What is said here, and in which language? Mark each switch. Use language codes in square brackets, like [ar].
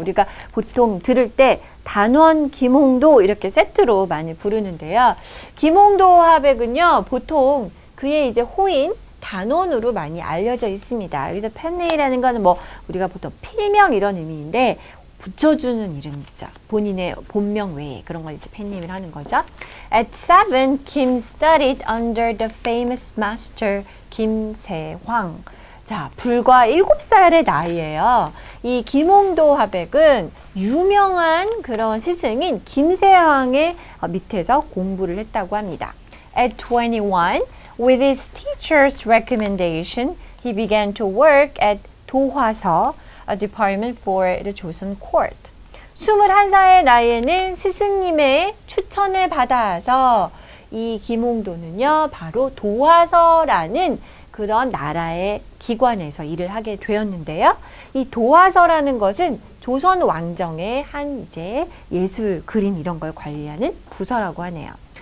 [ko] 우리가 보통 들을 때 단원 김홍도 이렇게 세트로 많이 부르는데요. 김홍도 화백은요, 보통 그의 이제 호인 단원으로 많이 알려져 있습니다. 여기서 팬네이라는 거는 뭐 우리가 보통 필명 이런 의미인데 붙여주는 이름 있죠. 본인의 본명 외에 그런 걸 이제 팬네임을 하는 거죠. [en] At seven, Kim studied under the famous master 김세황. [ko] 자, 불과 7살의 나이에요. 이 김홍도 화백은 유명한 그런 스승인 김세황의 밑에서 공부를 했다고 합니다. [en] At 21, with his teacher's recommendation, he began to work at 도화서, a department for the Joseon court. [ko] 21살의 나이에는 스승님의 추천을 받아서 이 김홍도는요, 바로 도화서라는 그런 나라의 기관에서 일을 하게 되었는데요. 이 도화서라는 것은 조선 왕정의 한 이제 예술 그림 이런 걸 관리하는 부서라고 하네요.